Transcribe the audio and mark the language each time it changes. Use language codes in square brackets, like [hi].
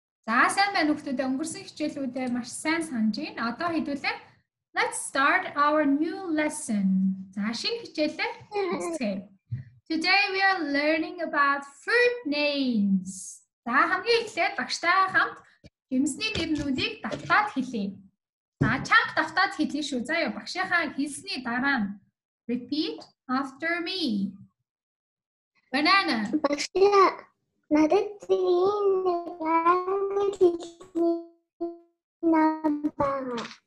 [mn] За сайн байна хүүхдүүдээ өнгөрсөн хичээлүүдээ маш сайн санаж байна. Одоо хэдүүлээ. [en] Let's start our new lesson. [mn] За шинэ хичээлээ үзье. [en] Today we are learning about fruit names. [mn] За хамгийн эхлээд багштайгаа хамт жимсний нэрнүүдийг давтаад хэлье. За чанга давтаад хэлье шүү. За ёо багшийнхаа хэлсний дараа [en] repeat after me. Banana. [mn] Багшаа надад зүйнийг хэлнэ.